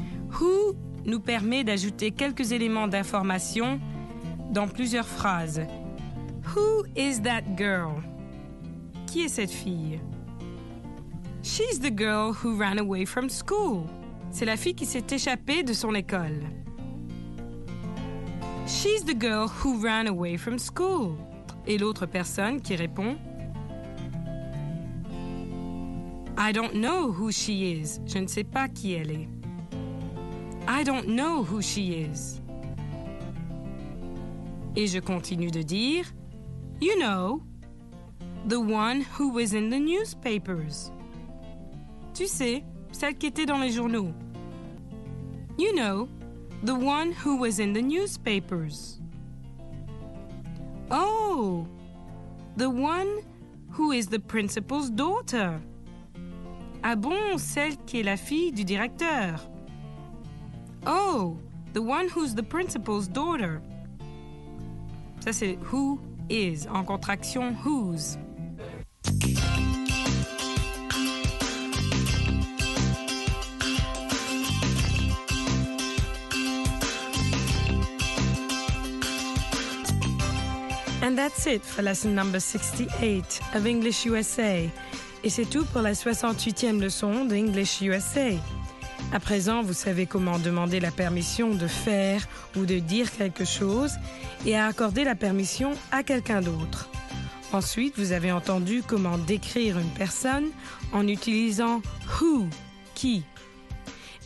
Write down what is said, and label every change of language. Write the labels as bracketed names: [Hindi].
[French] Who nous permet d'ajouter quelques éléments d'information dans plusieurs phrases. [English] Who is that girl? [French] Qui est cette fille? [English] She's the girl who ran away from school. [French] C'est la fille qui s'est échappée de son école. [English] She's the girl who ran away from school. [French] Et l'autre personne qui répond. [English] I don't know who she is. [French] Je ne sais pas qui elle est. [English] I don't know who she is. [French] Et je continue de dire, [English] you know, the one who was in the newspapers. [French] Tu sais, celle qui était dans les journaux. [English] You know, the one who was in the newspapers. Oh, the one who is the principal's daughter. [French] Ah bon, celle qui est la fille du directeur. [English] Oh, the one who's the principal's daughter. [French] Ça, c'est [English] who is, [French] en contraction, [English] whose. And that's it for lesson number 68 of English USA. [French] Et c'est tout pour la 68e leçon de English USA. À présent, vous savez comment demander la permission de faire ou de dire quelque chose et à accorder la permission à quelqu'un d'autre. Ensuite, vous avez entendu comment décrire une personne en utilisant « who », « qui ».